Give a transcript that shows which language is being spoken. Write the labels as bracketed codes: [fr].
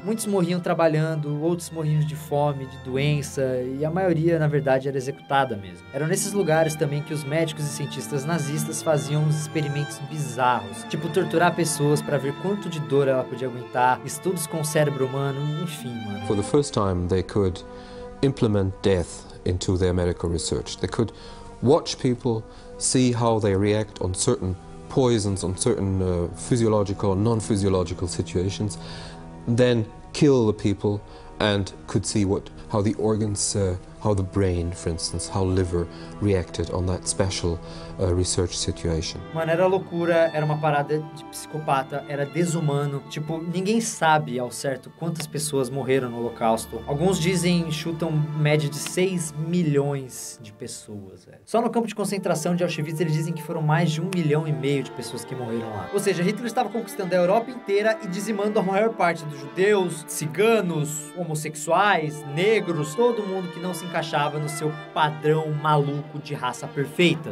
[pt] Muitos morriam trabalhando, outros morriam de fome, de doença, e a maioria, na verdade, era executada mesmo. Eram nesses lugares também que os médicos e cientistas nazistas faziam uns experimentos bizarros, tipo torturar pessoas para ver quanto de dor ela podia aguentar, estudos com o cérebro humano, enfim, mano. [en] For the first time, they could implement death into their medical research. They could watch people, see how they react on certain poisons, on certain physiological or non-physiological situations, then kill the people and could see what, how the organs, how the brain, for instance, how liver reacted on that special research situation. [pt] Mano, era loucura, era uma parada de psicopata, era desumano. Tipo, ninguém sabe ao certo quantas pessoas morreram no Holocausto. Alguns dizem, chutam média de 6 milhões de pessoas, velho. Só no campo de concentração de Auschwitz, eles dizem que foram mais de 1,5 milhão de pessoas que morreram lá. Ou seja, Hitler estava conquistando a Europa inteira e dizimando a maior parte dos judeus, ciganos, homossexuais, negros, todo mundo que não se encaixava no seu padrão maluco de raça perfeita.